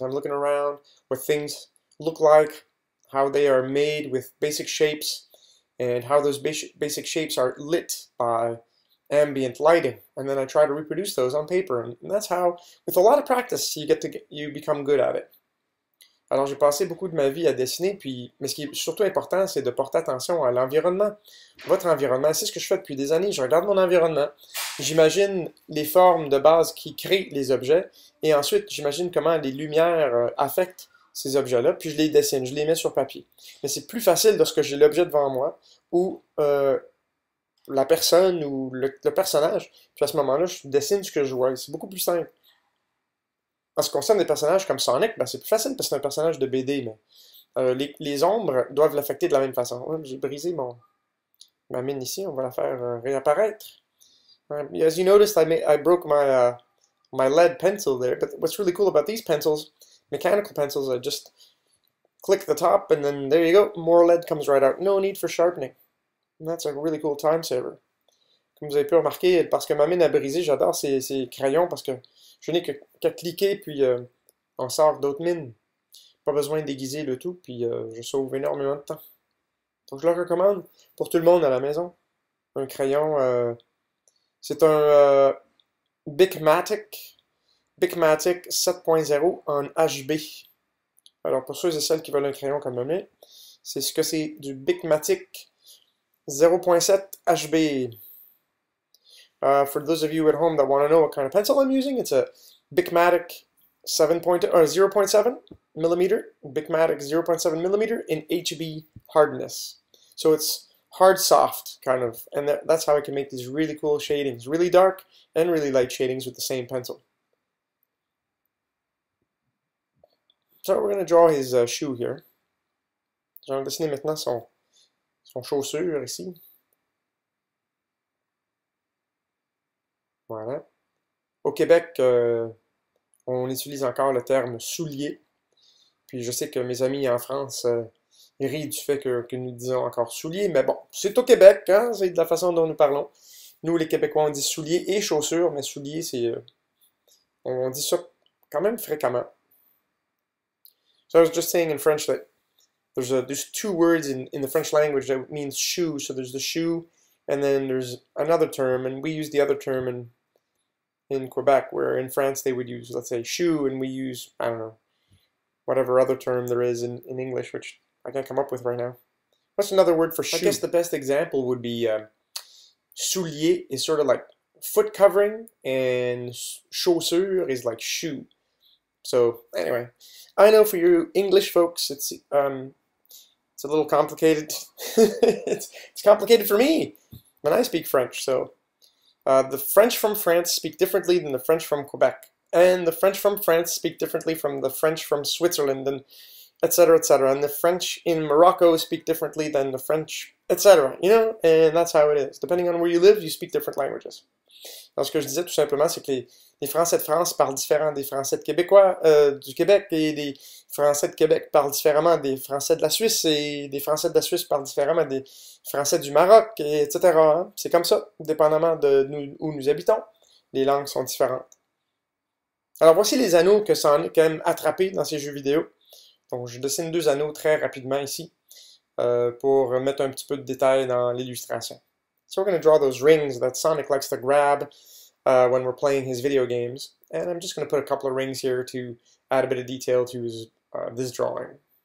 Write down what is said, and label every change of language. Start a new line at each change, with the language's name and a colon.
English: I'm looking around what things look like, how they are made with basic shapes, and how those basic shapes are lit by ambient lighting, and then I try to reproduce those on paper, and that's how, with a lot of practice, you become good at it.
French: Alors j'ai passé beaucoup de ma vie à dessiner, mais ce qui est surtout important, c'est de porter attention à l'environnement. Votre environnement, c'est ce que je fais depuis des années. Je regarde mon environnement, J'imagine les formes de base qui créent les objets et ensuite j'imagine comment les lumières affectent ces objets-là, puis je les dessine, je les mets sur papier. Mais c'est plus facile lorsque j'ai l'objet devant moi ou la personne ou le personnage, puis à ce moment-là, je dessine ce que je vois. C'est beaucoup plus simple. En ce qui concerne des personnages comme Sonic, ben c'est plus facile parce que c'est un personnage de BD, mais les ombres doivent l'affecter de la même façon. Ouais, j'ai brisé ma mine ici, on va la faire réapparaître.
English: As you noticed, I broke my lead pencil there, but what's really cool about these pencils, mechanical pencils, I just click the top and then there you go, more lead comes right out. No need for sharpening. And that's a really cool time saver.
French: Comme vous avez pu remarquer, parce que ma mine a brisé, j'adore ces crayons parce que je n'ai qu'à cliquer puis on sort d'autres mines. Pas besoin de déguiser le tout, puis je sauve énormément de temps. Donc je le recommande pour tout le monde à la maison. Un crayon, c'est un Bic-matic 7.0 en HB. Alors pour ceux et celles qui veulent un crayon comme le mien, c'est ce que c'est du Bic-matic 0.7 HB.
English: For those of you at home that want to know what kind of pencil I'm using, it's a Bic-matic 0.7 mm, Bic-matic 0.7 mm in HB hardness. So it's hard soft, kind of. And that's how I can make these really cool shadings. Really dark and really light shadings with the same pencil. So we're going to draw his shoe here.
French: Je vais dessiner maintenant son chaussure ici. Voilà. Au Québec, on utilise encore le terme soulier. Puis je sais que mes amis en France. Il rit du fait que nous disons encore souliers, mais bon, c'est au Québec, hein, c'est de la façon dont nous parlons. Nous, les Québécois, on dit souliers et chaussures, mais souliers, c'est. On dit ça quand même fréquemment.
English: So I was just saying in French that there's two words in the French language that means shoe. So there's the shoe, and then there's another term, and we use the other term in Quebec, where in France they would use, let's say, shoe, and we use, I don't know, whatever other term there is in English, which. I can't come up with right now. What's another word for I guess shoe? the best example would be soulier is sort of like foot covering, and chaussure is like shoe. So anyway, I know for you English folks, it's a little complicated. It's complicated for me when I speak French. So the French from France speak differently than the French from Quebec, and the French from France speak differently from the French from Switzerland, and etc., etc., and the French in Morocco speak differently than the French, etc., and that's how it is. Depending on where you live, you speak different languages.
French: Alors, ce que je disais tout simplement, c'est que les Français de France parlent différemment des Français de Québécois, du Québec, et les Français de Québec parlent différemment des Français de la Suisse, et des Français de la Suisse parlent différemment des Français du Maroc, etc., hein? C'est comme ça, dépendamment de nous, où nous habitons, les langues sont différentes. Alors, voici les anneaux que Sonic aime attraper dans ses jeux vidéo. Donc, je dessine deux anneaux très rapidement ici pour mettre un petit peu de détail dans l'illustration.
English: So we're going to draw those rings that Sonic likes to grab when we're playing his video games. And I'm just going to put a couple of rings here to add a bit of detail to this drawing.